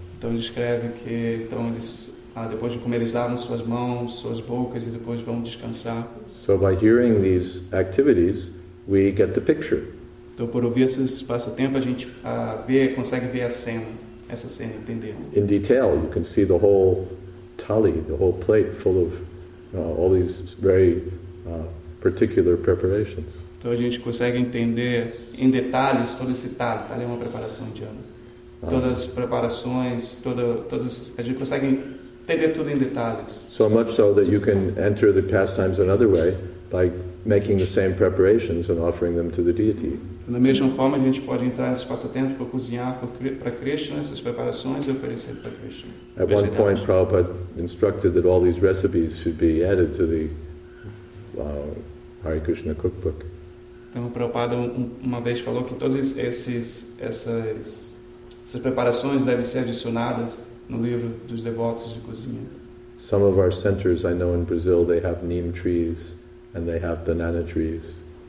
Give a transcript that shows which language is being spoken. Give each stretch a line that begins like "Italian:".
Portuguese: Então, descreve que depois de comer, eles lavam suas mãos, suas bocas e depois vão descansar.
English: So by hearing these activities, we get the picture.
Portuguese: Então, por ouvir esses passatempos, a gente consegue ver a cena, essa cena, entender.
English: In detail, you can see the whole tali, the whole plate, full of all these very particular preparations.
Portuguese: Então, a gente consegue entender em detalhes todo esse tali. Tali é uma preparação indiana. Todas as preparações, a gente consegue entender tudo em detalhes.
English: So much so that you can enter the pastimes another way by making the same preparations and offering them to the deity.
Portuguese: Da mesma forma, a gente pode entrar nesse passatempo para cozinhar para Krishna essas preparações e oferecer para Krishna.
English: At one point, Prabhupada instructed that all these recipes should be added to the Hare Krishna cookbook.
Portuguese: Então, Prabhupada uma vez falou que todas essas preparações devem ser adicionadas no livro dos devotos de cozinha.
English: Some of our centers, I know in Brazil, they have neem trees and they have banana trees.